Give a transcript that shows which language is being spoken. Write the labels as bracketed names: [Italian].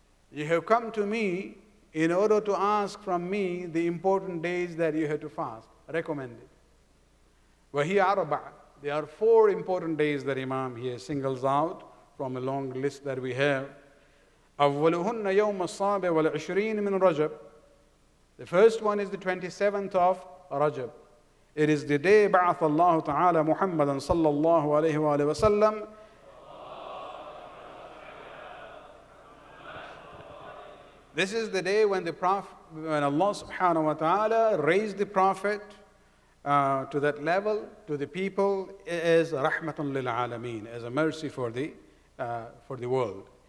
[English] You have come to me in order to ask from me the important days that you have to fast, recommended. [Arabic] وَهِيَ أَرْبَعَ. [English] There are four important days that Imam here singles out from a long list that we have. [Arabic] أَوَّلُهُنَّ يَوْمَ الصَّابِ وَالْعِشْرِينِ مِنْ رَجَبْ. [English] The first one is the 27th of Rajab. It is the day [Arabic] بعث الله تعالى محمدًا صلى الله عليه وآله وسلم. [English] This is the day when the Prophet, when Allah subhanahu wa ta'ala raised the Prophet to that level, to the people, as rahmatun lil alameen, as a mercy for the world.